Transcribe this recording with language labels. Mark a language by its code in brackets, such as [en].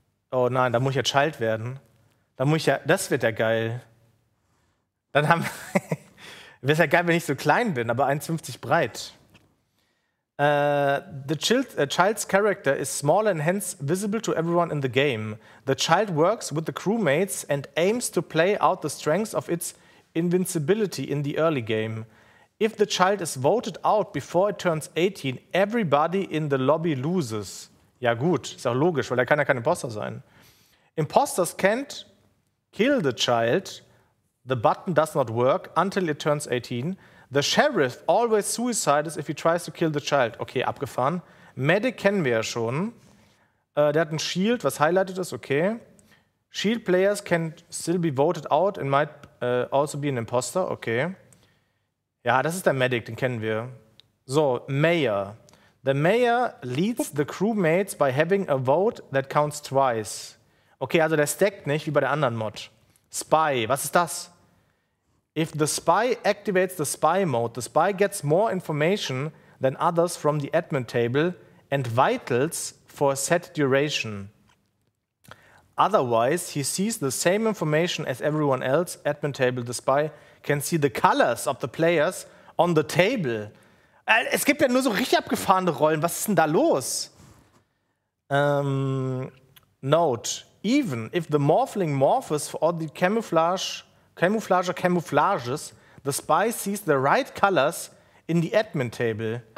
[de] Oh nein, da muss ich ja Child werden. Da muss ich ja. Das wird ja geil. Dann haben wäre es ja geil, wenn ich so klein bin, aber 1,50 breit. [en] The child's character is small and hence visible to everyone in the game. The child works with the crewmates and aims to play out the strengths of its invincibility in the early game. If the child is voted out before it turns 18, everybody in the lobby loses. [de] Ja gut, ist auch logisch, weil da kann ja kein Imposter sein. [en] Imposters can't kill the child. The button does not work until it turns 18. The sheriff always suicides if he tries to kill the child. [de] Okay, abgefahren. Medic kennen wir ja schon. Der hat ein Shield, was highlighted ist, okay. [en] Shield players can still be voted out and might also be an imposter, okay. [de] Ja, das ist der Medic, den kennen wir. [en] So, Mayor. The Mayor leads the crewmates by having a vote that counts twice. [de] Okay, also der stackt nicht wie bei der anderen Mod. [en] Spy, [de] was ist das? [en] If the spy activates the spy mode, the spy gets more information than others from the admin table and vitals for a set duration. Otherwise, he sees the same information as everyone else. Admin table, the spy can see the colors of the players on the table. [de] Es gibt ja nur so richtig abgefahrene Rollen. Was ist denn da los? Note. [en] even if the morphling morphs or the camouflages, the spy sees the right colors in the admin table.